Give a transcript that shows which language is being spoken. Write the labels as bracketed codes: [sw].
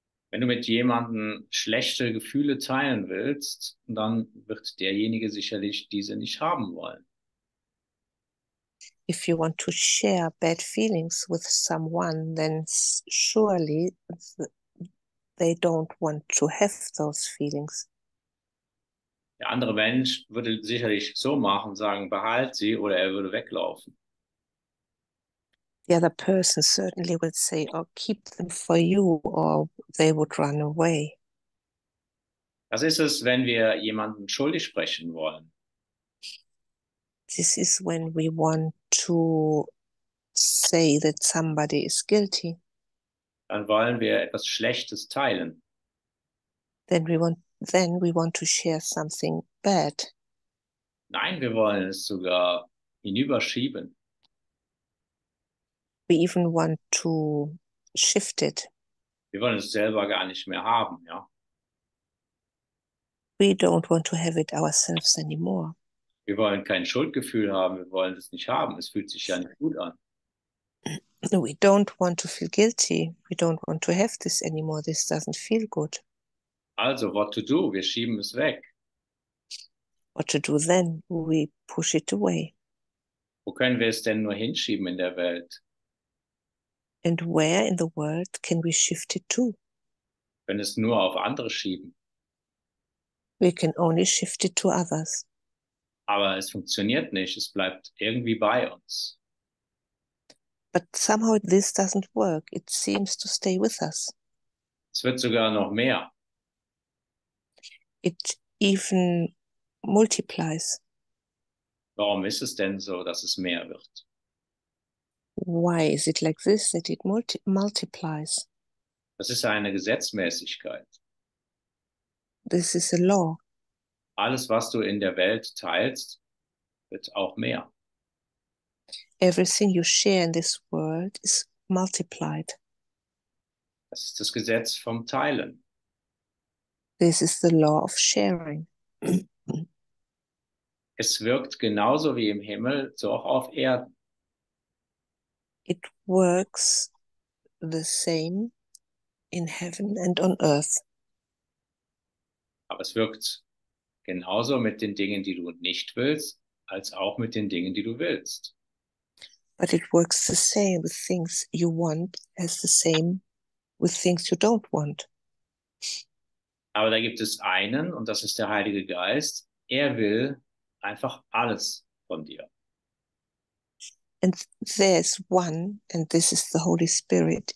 [de] Wenn du mit jemandem schlechte Gefühle teilen willst, dann wird derjenige sicherlich diese nicht haben wollen. [en] If you want to share bad feelings with someone, then surely they don't want to have those feelings. [de] Der andere Mensch würde sicherlich so machen, sagen, behalt sie oder er würde weglaufen. [en] The other person certainly will say, "Oh, keep them for you," or they would run away. [de] Das ist es, wenn wir jemanden schuldig sprechen wollen. [en] This is when we want to say that somebody is guilty. [de] Dann wollen wir etwas Schlechtes teilen. [en] Then we want to share something bad. [de] Nein, wir wollen es sogar hinüberschieben. [en] We even want to shift it. [de] Wir wollen es selber gar nicht mehr haben, ja. [en] We don't want to have it ourselves anymore. [de] Wir wollen kein Schuldgefühl haben, wir wollen es nicht haben. Es fühlt sich ja nicht gut an. [en] We don't want to feel guilty. We don't want to have this anymore. This doesn't feel good. [de] Also, [en] what to do? [de] Wir schieben es weg. [en] What to do then? We push it away. [de] Wo können wir es denn nur hinschieben in der Welt? [en] And where in the world can we shift it to? [de] Wenn es nur auf andere schieben. [en] We can only shift it to others. [de] Aber es funktioniert nicht, es bleibt irgendwie bei uns. [en] But somehow this doesn't work. It seems to stay with us. [de] Es wird sogar noch mehr. [en] It even multiplies. [de] Warum ist es denn so, dass es mehr wird? [en] Why is it like this, that it multiplies? [de] Das ist eine Gesetzmäßigkeit. [en] This is a law. [de] Alles, was du in der Welt teilst, wird auch mehr. [en] Everything you share in this world is multiplied. [de] Das ist das Gesetz vom Teilen. [en] This is the law of sharing. [de] Es wirkt genauso wie im Himmel, so auch auf Erden. [en] It works the same in heaven and on earth. [de] Aber es wirkt genauso mit den Dingen, die du nicht willst, als auch mit den Dingen, die du willst. [en] But it works the same with things you want as the same with things you don't want. [de] Aber da gibt es einen, und das ist der Heilige Geist. Er will einfach alles von dir. [en] And there's one, and this is the Holy Spirit.